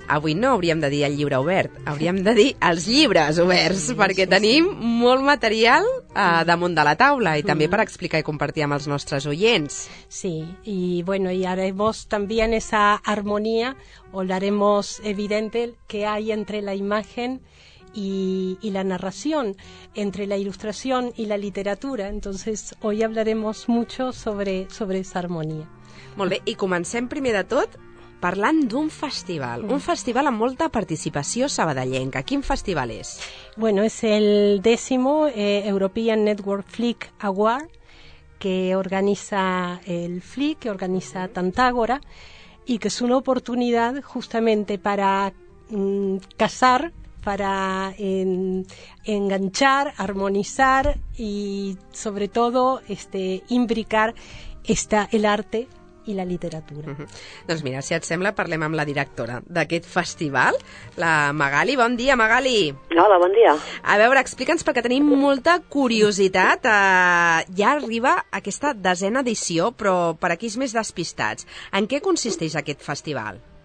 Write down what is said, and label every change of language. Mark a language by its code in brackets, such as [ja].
[ca] Avui no hauríem de dir el llibre obert, hauríem de dir els llibres oberts, sí, perquè sí, tenim molt material damunt de la taula i també per explicar i compartir amb els nostres oients. [es] Sí, i bueno, y haremos también esa armonía, o la haremos evidente, que hay entre la imagen y la narración, entre la ilustración y la literatura. Entonces, hoy hablaremos mucho sobre esa armonía. [ca] Molt bé, i comencem primer de tot parlant d'un festival, un festival amb molta participació sabadellenca. Quin festival és? [es] Bueno, es el 10º European Network Flick Award que organiza el Flick, que organiza Tantágora, y que es una oportunidad justamente para casar, para enganchar, armonizar y sobre todo imbricar el arte i la literatura. [ca] Doncs mira, si et sembla, parlem amb la directora d'aquest festival, la Magali. Bon dia, Magali. Hola, bon dia. A veure, explica'ns, perquè tenim molta curiositat. Ja arriba aquesta 10ª edició, però per aquí és més despistats. En què consisteix aquest festival?